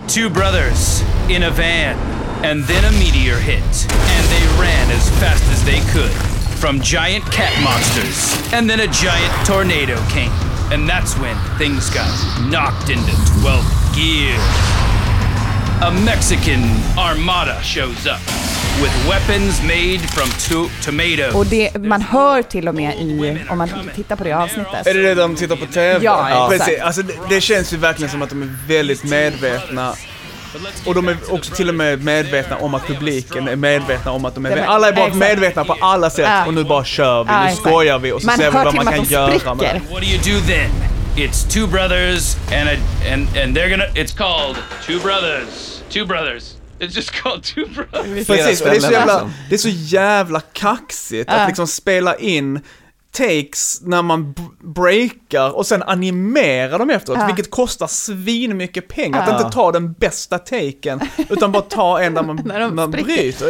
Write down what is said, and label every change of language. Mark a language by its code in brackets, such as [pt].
[en] Two brothers in a van, and then a meteor hit, and they ran as fast as they could from giant cat monsters, and then a giant tornado came, and that's when things got knocked into 12th gear. A Mexican armada shows up with weapons made from tomatoes. [sv] Och det man hör till och med i, om man tittar på det avsnittet. Är det det de tittar på TV? Ja, ja. Precis. Alltså det känns ju verkligen som att de är väldigt medvetna. Och de är också till och med medvetna om att publiken är medvetna om att de är medvetna. Alla är bara medvetna på alla sätt och nu bara kör vi. Nu skojar vi och så ser vi vad man kan göra med. [en] What do you do then? It's two brothers and they're gonna, it's called Two Brothers. It's just called Two Brothers. [sv] Precis, för det är så jävla kaxigt att liksom spela in takes när man breakar och sen animerar dem efteråt, vilket kostar svin mycket pengar. Att inte ta den bästa taken utan bara ta en där man bryter.